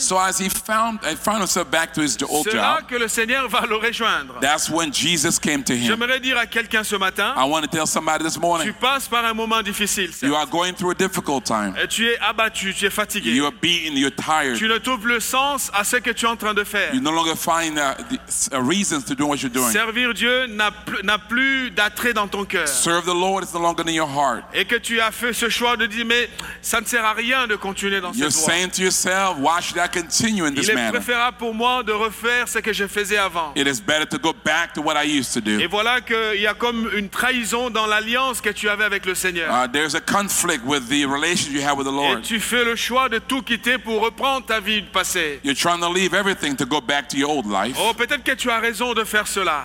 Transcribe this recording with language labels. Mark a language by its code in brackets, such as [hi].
[en] so as he found himself back to his old job, [fr] c'est là que le Seigneur va le rejoindre. [en] That's when Jesus came to him. [fr] J'aimerais dire à quelqu'un ce matin, [en] I want to tell somebody this morning, [fr] tu passes par un moment difficile, [en] you are going through a difficult time. [fr] Et tu es abattu, tu es fatigué. [en] You are beaten, you're tired. [fr] Tu ne trouves le sens à ce que tu es en train de faire. [en] You no longer find a reason to do what you're doing. [fr] Servir Dieu n'a plus d'attrait dans ton cœur. [en] Serve the Lord is no longer in your heart. [fr] Et que tu as fait ce choix de dire, mais ça ne sert à rien de continuer dans cette [en] voie. You're saying to yourself, why should I continue in this manner? [fr] Il est préférable pour moi de refaire ce que je faisais avant. [en] It is better to go back to what I used to do. [fr] Et voilà que il y a comme une trahison dans l'alliance que tu avais avec le Seigneur. [en] There's a conflict with the relationship you have with the Lord. [fr] Et tu fais le choix de tout quitter pour reprendre ta vie passée. [en] You're trying to leave everything to go back to your old life. [fr] Oh, peut-être que tu as raison de faire cela.